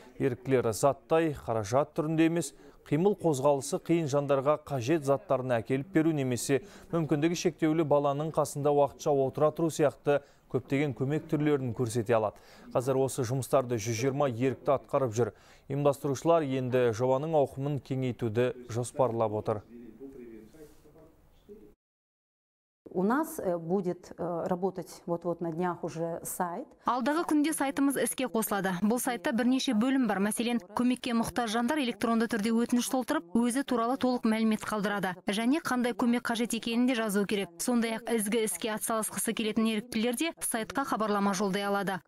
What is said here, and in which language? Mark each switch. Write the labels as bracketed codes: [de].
[kk] Еріктілер заттай, қаражат түрінде емес, қимыл қозғалысы қиын жандарға қажет заттарын әкеліп беру немесе мүмкіндігі шектеулі баланың қасында уақытша отыра тұру сияқты көптеген көмек түрлерін көрсете алады. Қазір осы жұмыстарды 120 ерікті атқарып жүр. Ұйымдастырушылар енді жобаның ауқымын кеңейтуді жоспарлап отыр. [ru] У нас будет работать вот-вот на днях уже сайт. [kk] Алдағы күнде сайтымыз іске қосылады. Бұл сайтта бірнеше бөлім бар. Мәселен, көмекке мұқтаж жандар электронды түрде өтініш толтырып, өзі туралы толық мәлімет қалдырады. Және қандай көмек қажет екенін де жазу керек. Сондай-ақ, ізгі іске атсалысқысы келетін еріктілер де сайтқа хабарлама жолдай алады.